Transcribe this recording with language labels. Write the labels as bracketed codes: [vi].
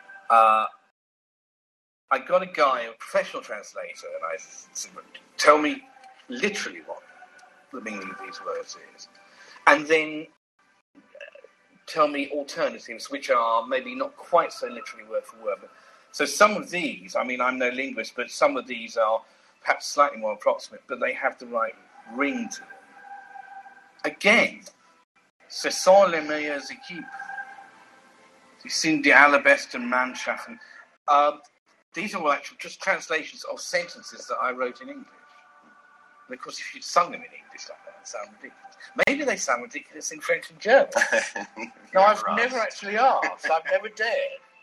[en] I got a guy, a professional translator, and I said, tell me literally what the meaning of these words is. And then tell me alternatives which are maybe not quite so literally word for word. So some of these, I mean, I'm no linguist, but some of these are perhaps slightly more approximate, but they have the right ring to them. Again, [fr] ce sont les meilleures équipes, ils sont les [de] allerbestes Mannschaften. [en] These are all actually just translations of sentences that I wrote in English. And of course, if you'd sung them in English like that, it'd sound ridiculous. Maybe they sound ridiculous in French and German. No, I've never actually asked. I've never dared.